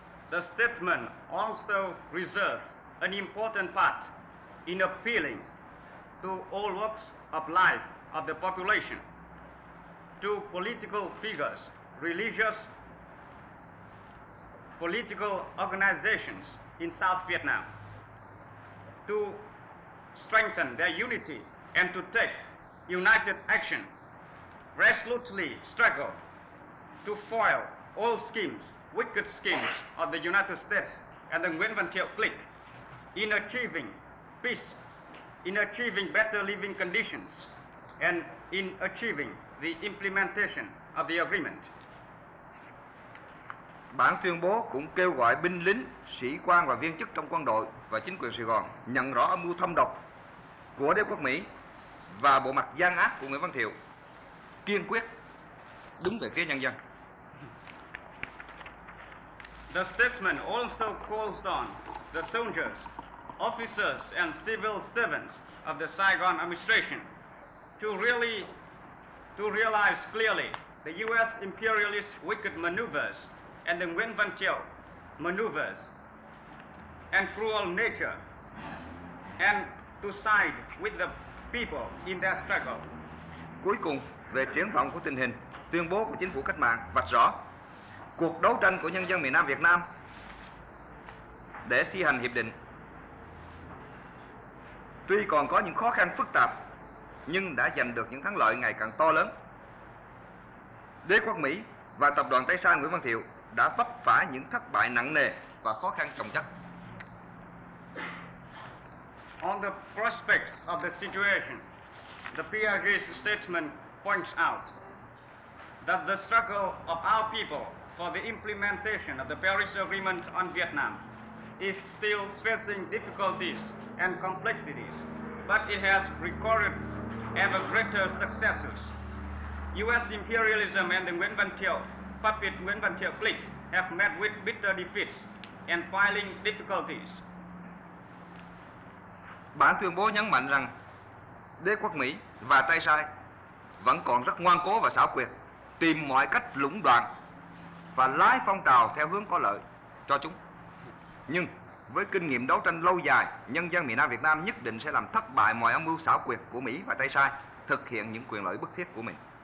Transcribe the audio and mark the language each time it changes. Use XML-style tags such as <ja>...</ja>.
<en>the statement also reserves an important part in appealing to all walks of life of the population, to political figures, religious, political organizations in South Vietnam, to strengthen their unity and to take united action, resolutely struggle to foil all schemes, wicked schemes of the United States and the Nguyen Văn Thiệu clique in achieving peace, in achieving better living conditions, and in achieving the implementation of the agreement.</en> <vi>Bản tuyên bố cũng kêu gọi binh lính, sĩ quan và viên chức trong quân đội và chính quyền Sài Gòn nhận rõ âm mưu thâm độc của đế quốc Mỹ và bộ mặt gian ác của Nguyễn Văn Thiệu, kiên quyết đứng về phía nhân dân.</vi> <en>The statement also calls on the soldiers, officers and civil servants of the Saigon administration to realize clearly the US imperialist wicked maneuvers and the Nguyễn Văn Thiệu maneuvers and cruel nature, and to side with the people in their struggle.</en> <vi>Cuối cùng, về triển vọng của tình hình, tuyên bố của chính phủ cách mạng vạch rõ cuộc đấu tranh của nhân dân miền Nam Việt Nam để thi hành hiệp định tuy còn có những khó khăn phức tạp nhưng đã giành được những thắng lợi ngày càng to lớn. Đế quốc Mỹ và tập đoàn Tây Sa Nguyễn Văn Thiệu đã vấp phải những thất bại nặng nề và khó khăn chồng chất.</vi> <en>On the prospects of the situation, the PRG's statement points out that the struggle of our people for the implementation of the Paris Agreement on Vietnam is still facing difficulties and complexities, but it has recorded ever greater successes. U.S. imperialism and the Nguyễn Văn Thiệu puppet Nguyễn Văn Thiệu clique have met with bitter defeats and filing difficulties.</en> <vi>Bản tuyên bố nhấn mạnh rằng đế quốc Mỹ và tay sai vẫn còn rất ngoan cố và xảo quyệt, tìm mọi cách lũng đoạn và lái phong trào theo hướng có lợi cho chúng. Nhưng với kinh nghiệm đấu tranh lâu dài, nhân dân miền Nam Việt Nam nhất định sẽ làm thất bại mọi âm mưu xảo quyệt của Mỹ và tay sai thực hiện những quyền lợi bức thiết của mình.</vi>